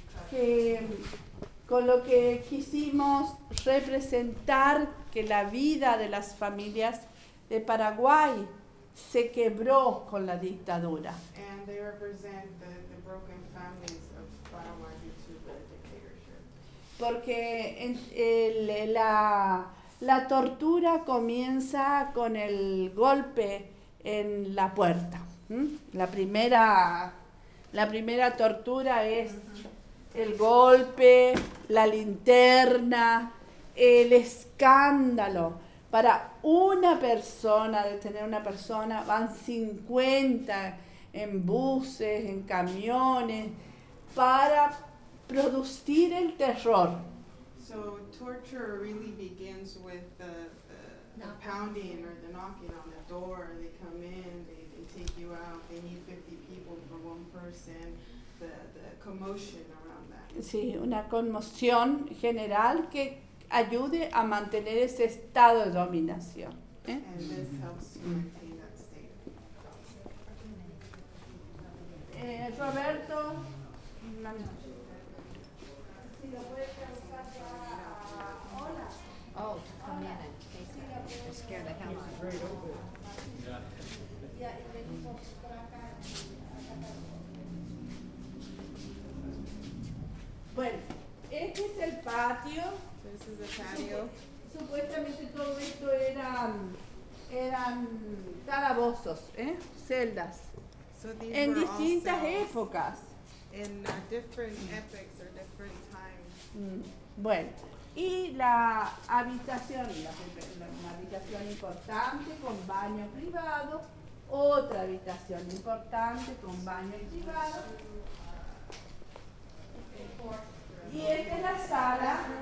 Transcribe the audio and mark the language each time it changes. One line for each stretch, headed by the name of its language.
Spanish: Que con lo que quisimos representar que la vida de las familias de Paraguay se quebró con la dictadura.
English: And they represent the broken families of Paraguay due to the dictatorship.
Spanish: Porque la tortura comienza con el golpe en la puerta. La primera tortura es el golpe, la linterna, el escándalo. Para una persona, detener una persona, van 50 en buses, en camiones, para producir el terror.
English: So torture really begins with the pounding or the knocking on the door. They come in, they take you out. They need 50 people for one person. The commotion around that.
Spanish: Sí, una conmoción general que ayude a mantener ese estado de dominación.
English: And this helps you maintain that state. Roberto.
Spanish: Bueno, este es el patio.
English: This is the patio.
Spanish: Supuestamente todo esto eran calabozos, celdas.
English: So these
Spanish: en distintas épocas.
English: In different epochs or different times.
Spanish: Bueno. Y la habitación, una habitación importante con baño privado, otra habitación importante con baño privado. Y esta es la sala.